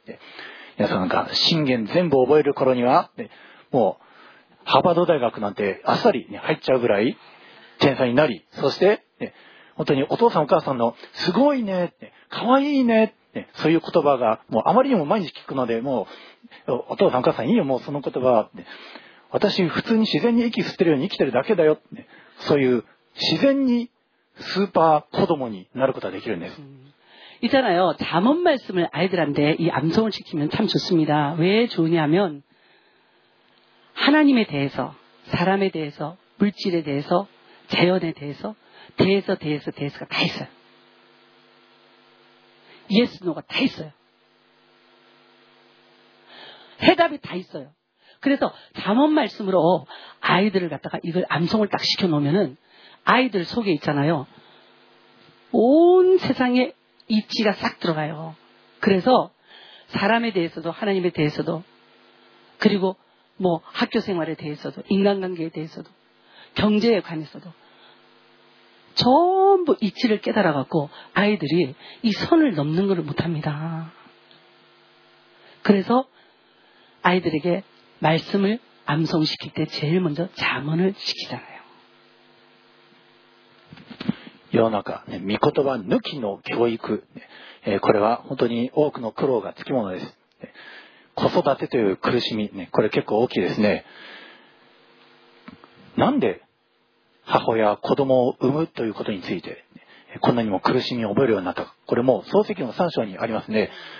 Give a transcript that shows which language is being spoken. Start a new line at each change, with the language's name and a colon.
Japanese: ね、皆さんなんか、箴言全部覚える頃には、ね、もう、ハーバード大学なんてあっさり、ね、入っちゃうぐらい、天才になり、そして、ね、本当にお父さんお母さんの、すごいね、ね、かわいいね、ね、そういう言葉が、もうあまりにも毎日聞くので、もう、お父さんお母さんいいよもうその言葉、私普通に自然に息吸ってるように生きてるだけだよ、そういう自然にスーパー子供になることができるんです。
Korean: 있잖아요. 잠언 말씀을 아이들한테 이 암송을 시키면 참 좋습니다. 왜 좋으냐면 하나님에 대해서, 사람에 대해서, 물질에 대해서, 자연에 대해서, 대해서, 대해서, 대해서가 다 있어요. 예스노가 다 있어요. 해답이 다 있어요. 그래서 잠언 말씀으로 아이들을 갖다가 이걸 암송을 딱 시켜놓으면은 아이들 속에 있잖아요. 온 세상에 이치가 싹 들어가요. 그래서 사람에 대해서도 하나님에 대해서도 그리고 뭐 학교 생활에 대해서도 인간관계에 대해서도 경제에 관해서도 전부 이치를 깨달아갖고 아이들이 이 선을 넘는 걸 못합니다. 그래서 아이들에게 말씀을 암송시킬 때 제일 먼저 잠언을 시키잖아요.
Japanese: 世の中、御言葉抜きの教育、これは本当に多くの苦労がつきものです。子育てという苦しみ、これ結構大きいですね。なんで母親は子供を産むということについてこんなにも苦しみを覚えるようになったか、これも創世記の3章にありますね。